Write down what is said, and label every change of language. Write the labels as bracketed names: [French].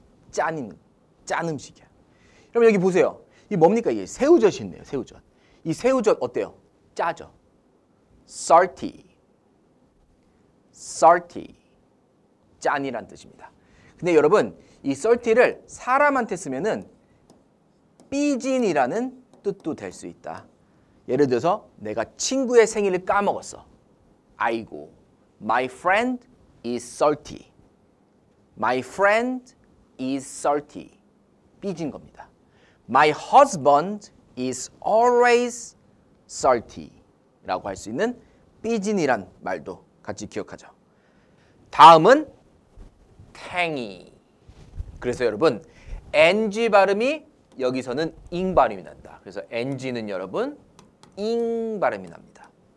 [Korean] 짠 음식이야. 그럼 여기 보세요. 이게 뭡니까? 이게 새우젓이 있네요. 새우젓. 이 새우젓 어때요? 짜죠. salty. salty. 짠이란 뜻입니다. 근데 여러분 이 salty를 사람한테 쓰면은 삐진이라는 뜻도 될 수 있다. 예를 들어서 내가 친구의 생일을 까먹었어. [English] 아이고, my friend is salty. My friend is salty. 삐진 겁니다. My husband is always salty. [Korean] 라고 할 수 있는 삐진이란 말도 같이 기억하죠. 다음은 탱이. 그래서 여러분 NG 발음이 여기서는 잉 발음이 난다. 그래서 NG는 여러분 잉 발음이 납니다.